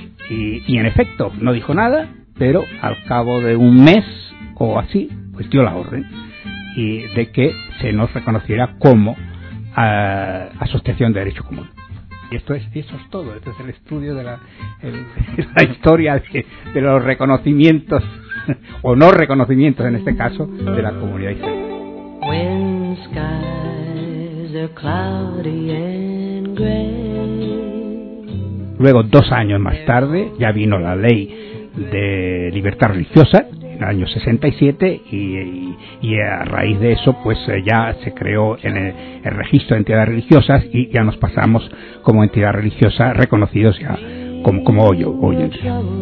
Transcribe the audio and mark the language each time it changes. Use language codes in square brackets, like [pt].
[es] Y en efecto, no dijo nada, pero al cabo de un mes o así, pues dio la orden y de que se nos reconociera como Asociación de Derecho Común. Y eso es todo, este es el estudio de la historia de los reconocimientos o no reconocimientos, en este caso, de la comunidad israelí. [en] When skies are cloudy and gray. [es] Luego, dos años más tarde, ya vino la ley de libertad religiosa, en el año 67, y a raíz de eso pues ya se creó en el registro de entidades religiosas y ya nos pasamos como entidad religiosa reconocidos ya como hoy en día.